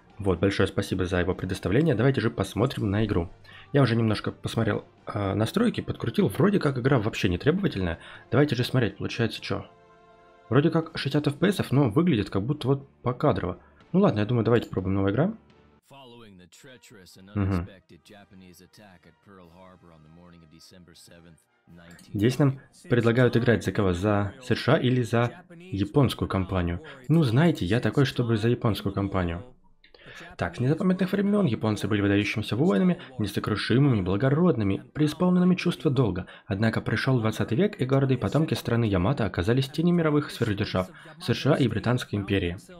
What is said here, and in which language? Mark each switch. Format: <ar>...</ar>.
<ru>Вот, большое спасибо за его предоставление. Давайте же посмотрим на игру. Я уже немножко посмотрел настройки, подкрутил. Вроде как игра вообще не требовательная. Давайте же смотреть, получается что. Вроде как 60 FPS, но выглядит как будто вот покадрово. Ну ладно, я думаю, давайте пробуем новую игру.</ru> <en>Following the treacherous and unexpected Japanese attack at Pearl Harbor on the morning of December 7th.</en> <ru>Здесь нам предлагают играть за кого? За США или за японскую компанию? Ну, знаете, я такой, чтобы за японскую компанию. Так, с незапамятных времен японцы были выдающимися воинами, несокрушимыми, благородными, преисполненными чувства долга. Однако пришел 20 век, и гордые потомки страны Ямато оказались тени мировых сверхдержав – США и Британской империи.</ru>